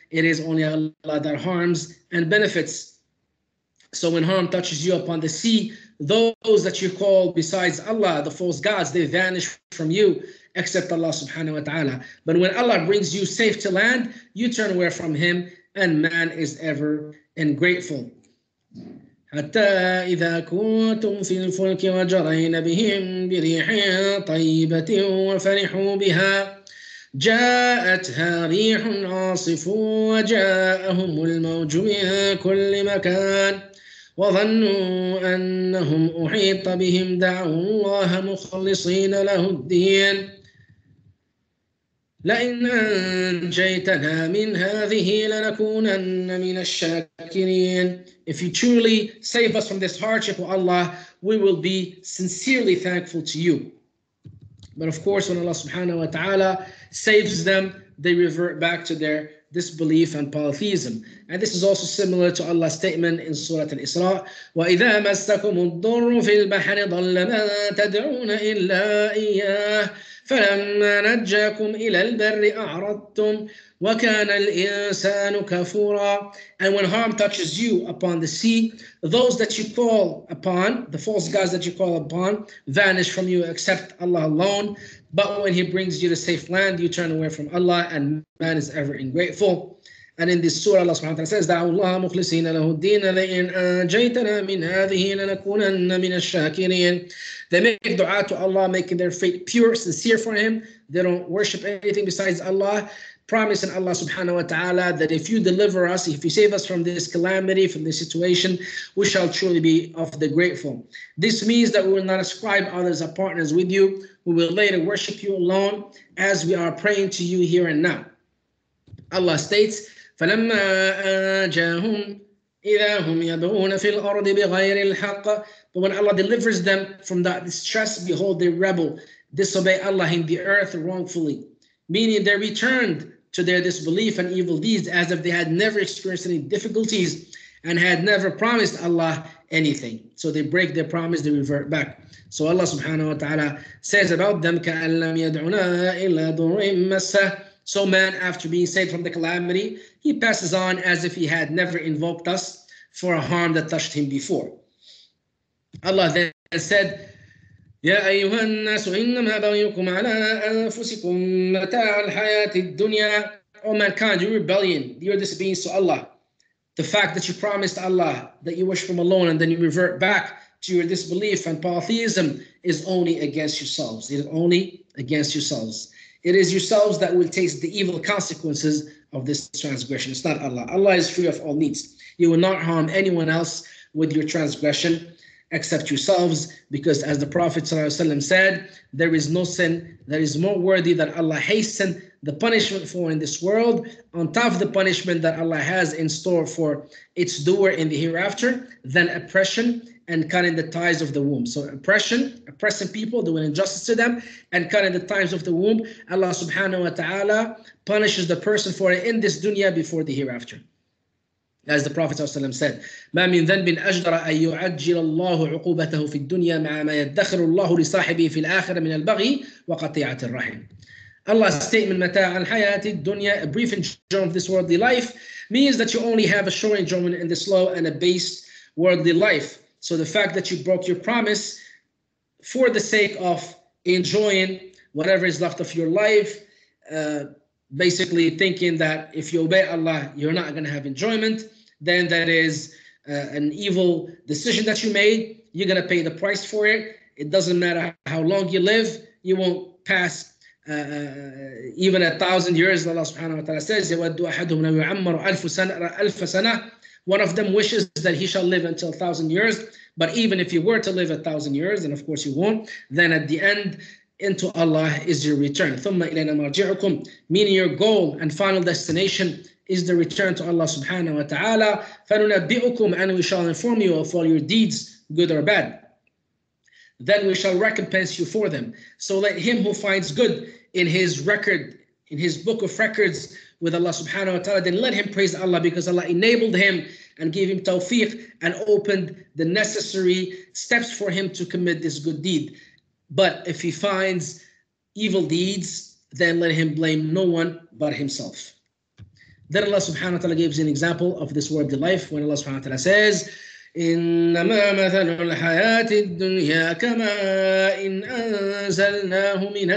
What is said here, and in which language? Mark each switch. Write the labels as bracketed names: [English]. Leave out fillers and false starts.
[English] It is only Allah that harms and benefits. So when harm touches you upon the sea, those that you call besides Allah, the false gods, they vanish from you, except Allah subhanahu wa ta'ala. But when Allah brings you safe to land, you turn away from Him, and man is ever ungrateful. [Arabic] حَتَّى إِذَا كُنْتُمْ فِي الْفُلْكِ وَجَرَيْنَ بِهِمْ بِرِيحٍ طَيِّبَةٍ وَفَرِحُوا بِهَا جَاءَتْهَا رِيحٌ عَاصِفٌ وَجَاءَهُمُ الْمَوْجُ مِنْ كُلِّ مَكَانٍ وظنوا أنهم أحيط بهم دعوا الله مخلصين له الدين لئن أنجيتنا من هذه لنكونن من الشاكرين. [English] If you truly save us from this hardship, O Allah, we will be sincerely thankful to you. But of course, when Allah subhanahu wa ta'ala saves them, they revert back to their disbelief and polytheism. And this is also similar to Allah's statement in Surah Al-Isra, [Arabic] وَإِذَا مَسَّكُمُ الضُّرُّ فِي الْبَحْرِ ضَلَّ مَن تَدْعُونَ إِلَّا إِيَّاهِ فَلَمَّا نَجَّاكُمْ إِلَى الْبَرِّ أَعْرَضْتُمْ وَكَانَ الْإِنسَانُ كَفُورًا. [English] And when harm touches you upon the sea, those that you call upon, the false gods that you call upon, vanish from you except Allah alone. But when He brings you to safe land, you turn away from Allah, and man is ever ungrateful. And in this surah, Allah subhanahu wa ta'ala says, [Arabic] دَعُوا اللَّهَ مُخْلِصِينَ لَهُ الدِّينَ لَئِنْ أَنْجَيْتَنَا مِنْ هَذِهِ لَنَكُونَنَّ مِنَ الشَّاكِرِينَ. [English] They make dua to Allah, making their faith pure, sincere for Him. They don't worship anything besides Allah, promising Allah subhanahu wa ta'ala that if you deliver us, if you save us from this calamity, from this situation, we shall truly be of the grateful. This means that we will not ascribe others as partners with you. We will later worship you alone as we are praying to you here and now. Allah states, [Arabic] فَلَمَّا آجَاهُمْ إِذَا هُمْ يَبْغُونَ فِي الْأَرْضِ بِغَيْرِ الْحَقِّ. [English] But when Allah delivers them from that distress, behold, they rebel, disobey Allah in the earth wrongfully. Meaning they returned to their disbelief and evil deeds as if they had never experienced any difficulties and had never promised Allah anything. So they break their promise, they revert back. So Allah subhanahu wa ta'ala says about them, [Arabic] كَأَنْ لَمْ يَدْعُنَا إِلَّا دُرِّمْ مَسَّهُ. [English] So man, after being saved from the calamity, he passes on as if he had never invoked us for a harm that touched him before. Allah then said, [Arabic] يَا أَيُّهَا النَّاسُ إِنَّمَا بَغْيُكُمْ عَلَىٰ أَنفُسِكُمْ مَتَاعَ الْحَيَاةِ الدُّنْيَا. [English] O mankind, your rebellion, your disobedience to Allah, the fact that you promised Allah that you worship Him alone and then you revert back to your disbelief and polytheism is only against yourselves. It is only against yourselves. It is yourselves that will taste the evil consequences of this transgression. It's not Allah. Allah is free of all needs. You will not harm anyone else with your transgression except yourselves, because as the Prophet ﷺ said, there is no sin that is more worthy that Allah hasten the punishment for in this world, on top of the punishment that Allah has in store for its doer in the hereafter, than oppression and cutting the ties of the womb. So oppression, oppressing people, doing injustice to them, and cutting the ties of the womb, Allah subhanahu wa ta'ala punishes the person for it in this dunya before the hereafter. As the Prophet ﷺ said, [Arabic] مَا مِنْ ذَنْبٍ أَجْدَرَ أَنْ يُعَجِّلَ اللَّهُ عُقُوبَتَهُ فِي الدُّنْيَا مَعَ مَا يَدَّخِرُ اللَّهُ لِصَاحِبِهِ فِي الْآخِرَ مِنَ الْبَغِي وَقَطِيعَةِ الرَّحِيمِ. [English] Allah's statement, [Arabic] مَتَاعَ الْحَيَاةِ الدُّنْيَا, [English] a brief enjoyment of this worldly life, means that you only have a short enjoyment in this low and a base worldly life. So the fact that you broke your promise for the sake of enjoying whatever is left of your life, basically thinking that if you obey Allah, you're not going to have enjoyment, then that is an evil decision that you made. You're going to pay the price for it. It doesn't matter how long you live. You won't pass even 1,000 years. Allah subhanahu wa ta'ala says, [Arabic] يَوَدُّ أَحَدُهُمْ لَوْ يُعَمَّرُ أَلْفُ سَنَةٍ. [English] One of them wishes that he shall live until 1,000 years. But even if he were to live 1,000 years, and of course you won't, then at the end, into Allah is your return. [Arabic] ثُمَّ إِلَيْنَا مَرْجِعُكُمْ. [English] Meaning your goal and final destination is the return to Allah subhanahu wa ta'ala. [Arabic] فَنُنَبِّئُكُمْ. [English] And we shall inform you of all your deeds, good or bad. Then we shall recompense you for them. So let him who finds good in his record, in his book of records with Allah subhanahu wa ta'ala, then let him praise Allah because Allah enabled him and gave him tawfiq and opened the necessary steps for him to commit this good deed. But if he finds evil deeds, then let him blame no one but himself. Then Allah subhanahu wa ta'ala gives an example of this worldly life when Allah subhanahu wa ta'ala says, [Arabic] إِنَّمَا مَثَلُ الْحَيَاةِ الدُّنْيَا كَمَا إِنْ أَنْزَلْنَاهُ